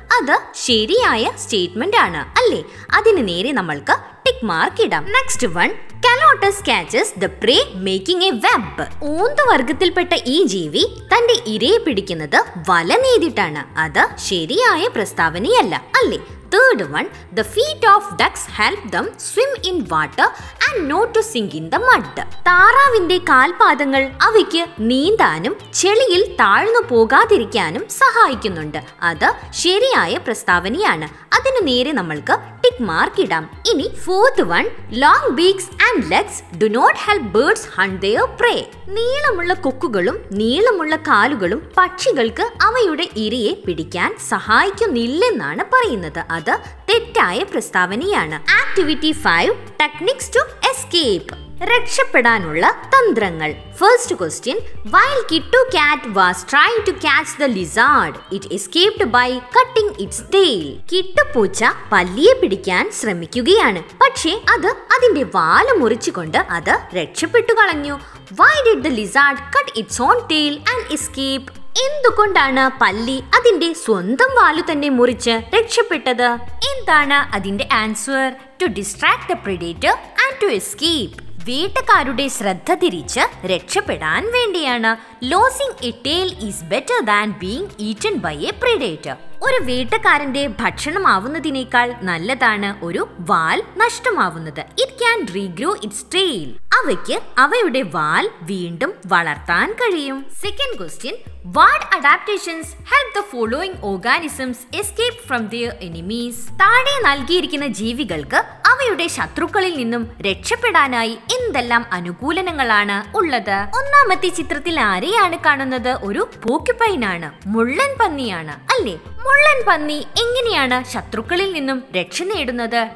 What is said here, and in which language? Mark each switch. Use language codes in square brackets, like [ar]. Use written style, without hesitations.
[ml] അത് ശരിയായ സ്റ്റേറ്റ്മെന്റ് ആണ് അല്ലേ? അതിന് നേരെ നമ്മൾക്ക് ടിക് മാർക്ക് ഇടാം. [en] Next one, calotes catches the prey making a web. [ml] ഊന്ത് വർഗത്തിൽപ്പെട്ട ഈ ജീവി തന്റെ ഇരയെ പിടിക്കുന്നത് വല നേടിയിട്ടാണ്. അത് ശരിയായ പ്രസ്താവനയല്ല അല്ലേ? [en] Third one, the feet of ducks help them swim in water and not to sink in the mud. [ml] താറാവിന്റെ കാൽപാദങ്ങൾ അവയ്ക്ക് നീന്താനും ചെളിയിൽ താഴ്ന്നു പോകാതിരിക്കാനും സഹായിക്കുന്നുണ്ട്. അത് ശരിയായ പ്രസ്താവനയാണ്. അതിന് നേരെ നമ്മൾക്ക് ടിക് മാർക്ക് ഇടാം. ഇനി [en] Fourth one, long beaks and legs do not help birds hunt their prey. [ml] നീളമുള്ള കൊക്കുകളും നീളമുള്ള കാലുകളും പക്ഷികൾക്ക് അവയുടെ ഇരയെ പിടിക്കാൻ സഹായിക്കുന്നില്ലെന്നാണ് പറയുന്നത്. അത് തെറ്റായ പ്രസ്താവനയാണ്. [en] Activity 5, techniques to escape. [ml] രക്ഷപ്പെടാനുള്ള തന്ത്രങ്ങൾ. [en] First question: While Kittu cat was trying to catch the lizard, it escaped by cutting its tail. [ml] കിട്ടു പൂച്ച പല്ലിയെ പിടിക്കാൻ ശ്രമിക്കുകയാണ്, പക്ഷേ അത് അതിന്റെ വാല് മുറിച്ചുകൊണ്ട് അത് രക്ഷപ്പെട്ടു കളഞ്ഞു. [en] Why did the lizard cut its own tail and escape? [ml] എന്തുകൊണ്ടാണ് പല്ലി അതിന്റെ സ്വന്തം വാലു തന്നെ മുറിച്ച് രക്ഷപ്പെട്ടത്? എന്താണ് അതിന്റെ answer? [en] To distract the predator and to escape. [ml] വീട്ടുകാരുടെ ശ്രദ്ധ തിരിച്ച് രക്ഷപ്പെടാൻ വേണ്ടിയാണ്. [en] Losing a tail is better than being eaten by a predator. [ml] ഒരു വീട്ടുകാരന്റെ ഭക്ഷണമാവുന്നതിനേക്കാൾ നല്ലതാണ് ഒരു വാൽ നഷ്ടമാവുന്നത്. [en] It can regrow its tail. [ml] അവയ്ക്ക് അവയുടെ വാൽ വീണ്ടും വളർത്താൻ കഴിയും. [en] Second question: What adaptations help the following organisms escape from their enemies? [ml] താഴെ നൽകിയിരിക്കുന്ന ജീവികൾക്ക് അവയുടെ ശത്രുക്കളിൽ നിന്നും രക്ഷപ്പെടാനായി എന്തെല്ലാം അനുകൂലനങ്ങളാണ് ഉള്ളത്? ഒന്നാമത്തെ ചിത്രത്തിൽ ആരെയാണ് കാണുന്നത്? ഒരു പോക്യുപൈനാണ്, മുള്ളൻ പന്നിയാണ് അല്ലേ? മുള്ളൻ പന്നി എങ്ങനെയാണ് ശത്രുക്കളിൽ നിന്നും രക്ഷ നേടുന്നത്?